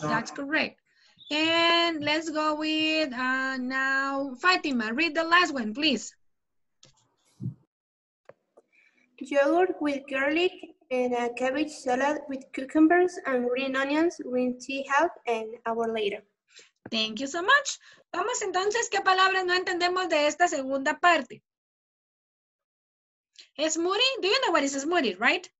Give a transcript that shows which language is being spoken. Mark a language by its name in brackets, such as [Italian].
[English] That's correct. And let's go with now Fatima. Read the last one, please. Yogurt with garlic and a cabbage salad with cucumbers and green onions, green tea half an hour later. Thank you so much. [Spanish] Vamos entonces, ¿qué palabras no entendemos de esta segunda parte? [English] Smoothie, do you know what is a smoothie, right?